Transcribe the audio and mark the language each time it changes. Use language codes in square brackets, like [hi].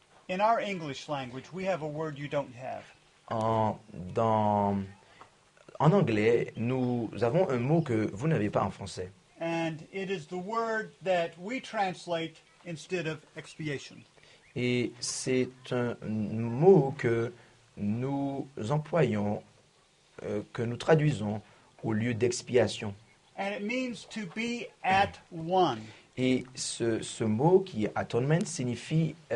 [en] In our English language, we have a word you don't have. [fr] En anglais, nous avons un mot que vous n'avez pas en français. [en] And it is the word that we translate instead of expiation. [fr] Et c'est un mot que nous employons, que nous traduisons au lieu d'expiation. [en] And it means to be at one. [fr] Et ce mot qui est atonement signifie